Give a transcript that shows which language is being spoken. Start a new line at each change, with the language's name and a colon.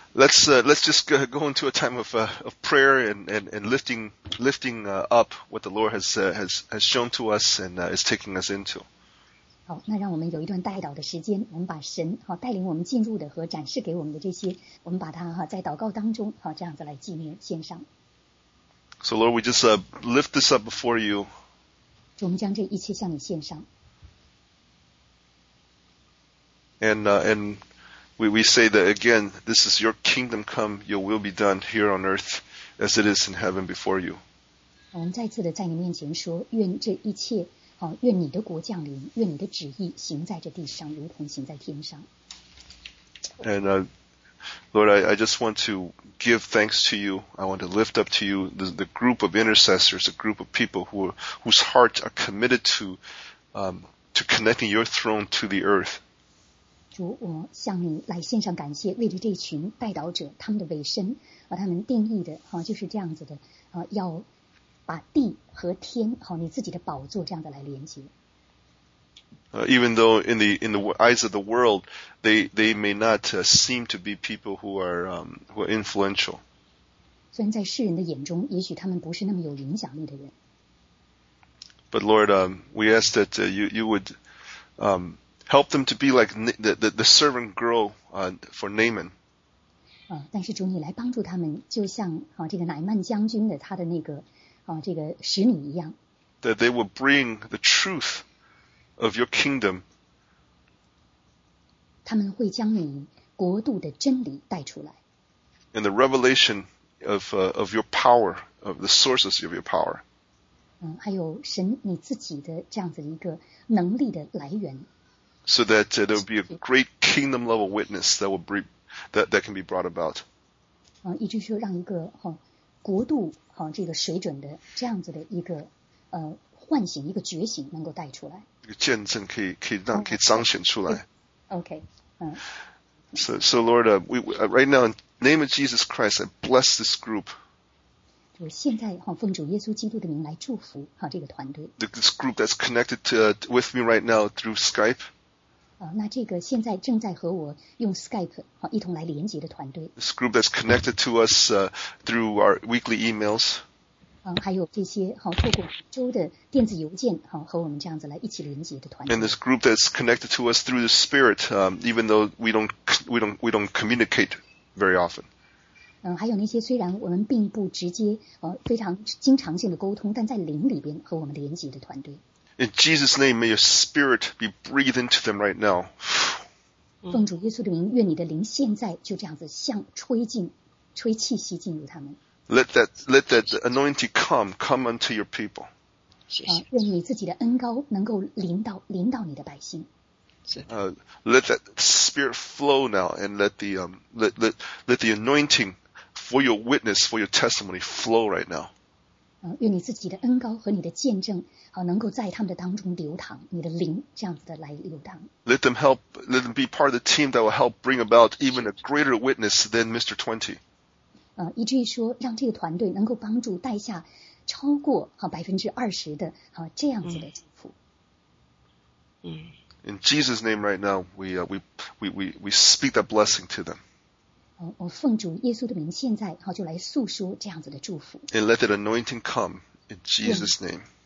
English: So let's just go into a time of prayer and lifting up what the Lord has shown to us and is taking us into.
Chinese: 好，那让我们有一段代祷的时间，我们把神带领我们进入的和展示给我们的这些，我们把它在祷告当中这样子来纪念献上。
English: So Lord, we just lift this up before you.
Chinese: 我们将这一切向你献上。
English: And we say that again, this is your kingdom come, your will be done here on earth as it is in heaven before you.
Chinese: 我们再次的在你面前说，愿这一切愿你的国降临，愿你的旨意行在这地上，如同行在天上。
English: Lord, I just want to give thanks to you. I want to lift up to you the group of intercessors, a group of people whose hearts are committed to connecting your throne to the earth.
Chinese: 主，我向你来献上感谢，为了这群代祷者他们的委身，他们定义的就是这样子的要把地和天你自己的宝座这样的来连接。
English: Even though in the eyes of the world, they may not seem to be people who are influential.
Chinese: 虽然在世人的眼中，也许他们不是那么有影响力的人。
English: But Lord, we ask that you would help them to be like the servant girl for Naaman.
Chinese: 但是主你来帮助他们，就像这个乃曼将军的他的那个这个使女一样。
English: That they will bring the truth. Of your kingdom,
Chinese: 他们会将你国度的真理带出来。
English: And the revelation of your power, of the sources of your power.
Chinese: 还有神你自己的这样子一个能力的来源。
English: So that there will be a great kingdom level witness that will be that can be brought about.
Chinese: 一直说让一个国度这个水准的这样子的一个唤醒一个觉醒能够带出来。一个见证可以彰显出来。
English: Okay. So Lord, we right now in the name of Jesus Christ, I bless this group.
Chinese: 我现在奉主耶稣基督的名来祝福这个团队。
English: This group that's connected to, with me right now through Skype.
Chinese: 那这个现在正在和我用 Skype 一同来连接的团队。
English: This group that's connected to us through our weekly emails.
Chinese: 还有这些透过周的电子邮件和我们这样子来一起连接的团队。
English: And this group that's connected to us through the Spirit, even though we don't communicate very often.
Chinese: 还有那些虽然我们并不直接非常经常性的沟通，但在灵里边和我们连接的团队。
English: In Jesus' name, may your spirit be breathing to them right now.
Chinese: 奉主耶稣的名，愿你的灵现在就这样子像吹进，吹气息进入他们。
English: Let that anointing come unto your people.
Chinese: 愿你自己的恩膏能够临到你的百姓。
English: Let that spirit flow now, and let the anointing for your witness, for your testimony flow right now.
Chinese: 愿你自己的恩膏和你的见证，能够在他们的当中流淌，你的灵这样子的来流淌。
English: Let them be part of the team that will help bring about even a greater witness than Mr. 20.
Chinese: 以至于说，让这个团队能够帮助带下超过20%的这样子的祝福。
English: In Jesus' name right now, we speak that blessing to them.
Chinese: 我奉主耶稣的名，现在就来诉说这样子的祝福。
English: And let that anointing come in Jesus' name.